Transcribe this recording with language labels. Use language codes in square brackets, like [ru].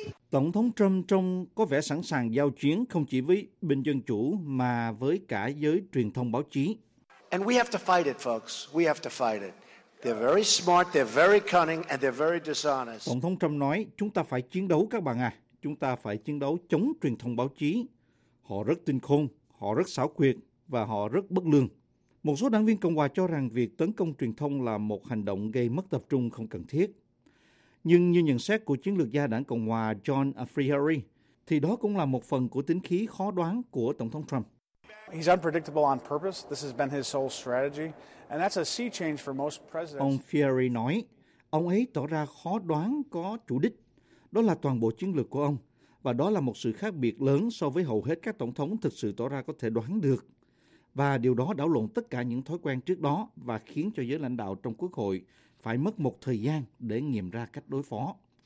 [vi] Tổng thống Trump trông có vẻ sẵn sàng giao chiến không chỉ với bên Dân Chủ mà với cả giới truyền thông báo chí. [en] And we have to fight it, folks. We have to fight it. They're very smart, they're very cunning, and they're very dishonest. [vi] Tổng thống Trump nói, chúng ta phải chiến đấu các bạn à, chúng ta phải chiến đấu chống truyền thông báo chí. Họ rất tinh khôn, họ rất xảo quyệt, và họ rất bất lương. Một số đảng viên Cộng hòa cho rằng việc tấn công truyền thông là một hành động gây mất tập trung không cần thiết. Nhưng như nhận xét của chiến lược gia đảng Cộng hòa John Afriari, thì đó cũng là một phần của tính khí khó đoán của Tổng thống Trump. [en] He's unpredictable on purpose. This has been his sole strategy, and that's a sea change for most presidents. [vi] Ông Fieri nói, ông ấy tỏ ra khó đoán có chủ đích. Đó là toàn bộ chiến lược của ông, và và đó là một sự khác biệt lớn so với hầu hết các tổng thống thực sự tỏ ra có thể đoán được. Và điều đó đảo lộn tất cả những thói quen trước đó và khiến cho giới lãnh đạo trong quốc hội phải mất một thời gian để nghiệm ra cách đối phó.